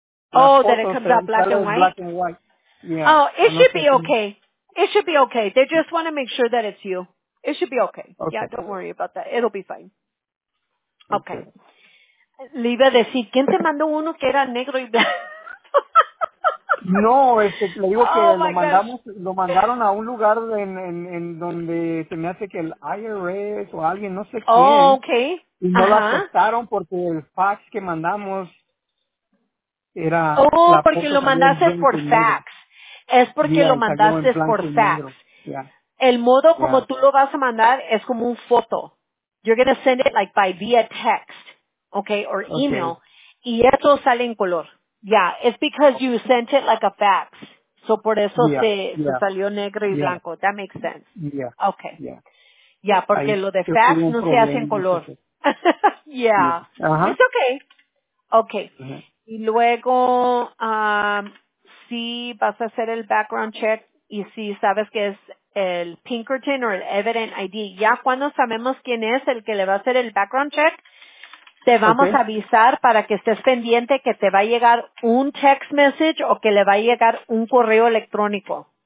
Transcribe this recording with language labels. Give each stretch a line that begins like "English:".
English: foto, that it comes out black and white? Black and white. Yeah. Oh, it should be okay. It should be okay. They just want to make sure that it's you. It should be okay. Yeah, don't worry about that. It'll be fine. Okay.
Spanish: Le iba a decir, ¿quién te mandó uno que era negro y blanco? No, le digo que lo mandaron a un lugar en donde se me hace que el IRS o alguien, no sé quién.
English: Oh, okay.
Spanish: Y no lo aceptaron porque el fax que mandamos era... Oh, porque lo mandaste por fax. Es porque lo mandaste por fax. El modo como tú lo vas a mandar es como un foto.
English: You're going to send it like by via text, okay, or email.
Spanish: Okay. Y eso sale en color.
English: Yeah, it's because you sent it like a fax.
Spanish: So por eso se salió negro y blanco.
English: That makes sense. Yeah. Okay.
Spanish: Yeah, porque lo de fax no se hace en color.
English: Yeah. Uh-huh. It's okay. Okay. Uh-huh.
Spanish: Y luego, si vas a hacer el background check y si sabes que es el Pinkerton o el Evident ID, ya cuando sabemos quién es el que le va a hacer el background check, te vamos a avisar para que estés pendiente que te va a llegar un text message o que le va a llegar un correo electrónico.